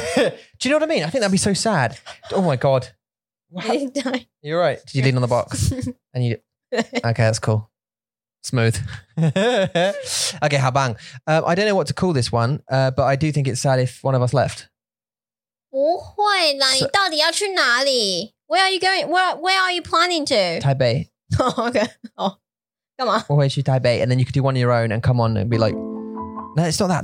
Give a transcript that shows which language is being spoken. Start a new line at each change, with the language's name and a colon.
English: Do you know what I mean? I think that'd be so sad. Oh my god. You're right. Did you lean on the box? And you... Okay, that's cool. Smooth. Okay, habang. I don't know what to call this one, but I do think it's sad if one of us left.
Chinese: 不会啦，你到底要去哪里?
English: Where are you going? Where are you planning to?
Chinese: 台北。
English: Oh, okay. Oh, come on. We'll go to Taipei, and then you could do one on your own and come on and be like, no, it's not that.